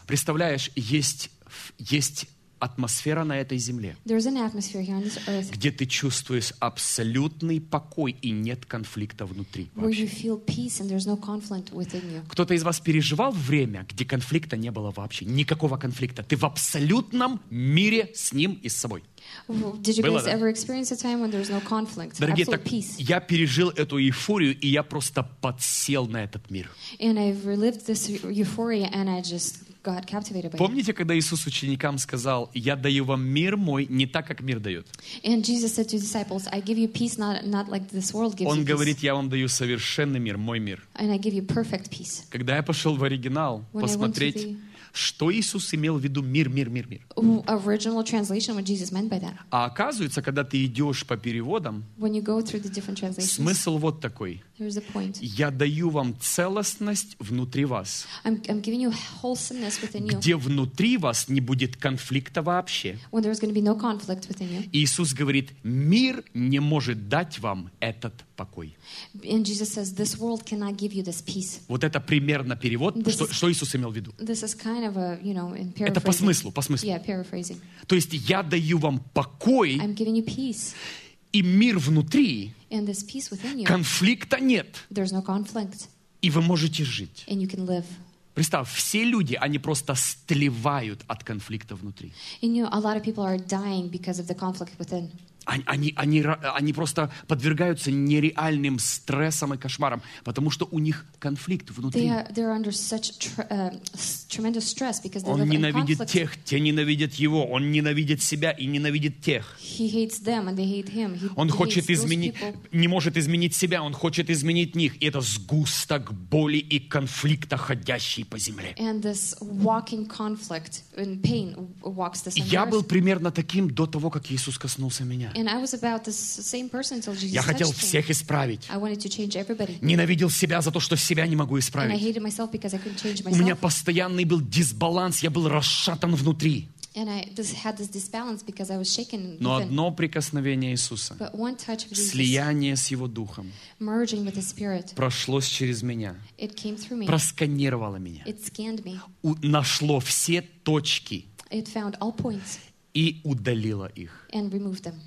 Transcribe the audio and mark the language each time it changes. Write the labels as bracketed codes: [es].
[ru] Представляешь, есть атмосфера на этой земле, где ты чувствуешь абсолютный покой и нет конфликта внутри вообще. Кто-то из вас переживал время, где конфликта не было вообще, никакого конфликта. Ты в абсолютном мире с Ним и с собой. [en] Did you guys ever experience a time when there was no conflict? [ru] Дорогие, [en] absolute peace. [ru] Я пережил эту эйфорию, и я просто подсел на этот мир. [en] And I've relived this euphoria and I just got captivated by it. [ru] Помните, когда Иисус ученикам сказал: "Я даю вам мир мой, не так как мир дает"? [en] And Jesus said to his disciples, "I give you peace not like this world gives [ru] Он [en] you [ru] говорит: [en] peace. [ru] "Я вам даю совершенный мир, мой мир". [en] And I give you perfect peace. [ru] Когда я пошел в оригинал [en] when [ru] посмотреть, что Иисус имел в виду мир. [en] Original translation, what Jesus meant by that. [ru] А оказывается, когда ты идешь по переводам, [en] when you go through the different translations, [ru] смысл вот такой. [en] There's a point. [ru] Я даю вам целостность внутри вас. [en] I'm giving you wholesomeness within you. [ru] Где внутри вас не будет конфликта вообще. [en] When there's going to be no conflict within you. [ru] Иисус говорит, мир не может дать вам этот покой. [en] And Jesus says, this world cannot give you this peace. [ru] Вот это примерно перевод, что Иисус имел в виду. [en] This is kind of a, you know, in paraphrasing. [ru] Это по смыслу. [en] Yeah, paraphrasing. [ru] То есть я даю вам покой. [en] I'm giving you peace. [ru] И мир внутри. [en] And this peace within you. [ru] Конфликта нет. [en] There's no conflict. [ru] И вы можете жить. [en] And you can live. [ru] Представь, все люди, они просто стлевают от конфликта внутри. [en] And you know, a lot of people are dying because of the conflict within. [ru] Они просто подвергаются нереальным стрессам и кошмарам, потому что у них конфликт внутри. [en] They are under such tremendous stress because they live in conflict. [ru] Он ненавидит тех, те ненавидят его. Он ненавидит себя и ненавидит тех. [en] He hates them and they hate him. He [ru] он хочет изменить, не может изменить себя, он хочет изменить них. И это сгусток боли и конфликта, ходящий по земле. [en] And this walking conflict and pain walks this [ru] Я был примерно таким до того, как Иисус коснулся меня. Я хотел всех исправить. Ненавидел себя за то, что себя не могу исправить. У меня постоянный был дисбаланс, я был расшатан внутри. [en] And I just had this disbalance because I was shaken. [ru] Но одно прикосновение Иисуса, [en] but one touch of Jesus, [ru] слияние с Его Духом, [en] merging with the Spirit, [ru] прошлось через меня, [en] it came through me, [ru] просканировало меня, [en] it scanned me, [ru] нашло все точки, [en] it found all points, [ru] и удалило их. [en] And removed them.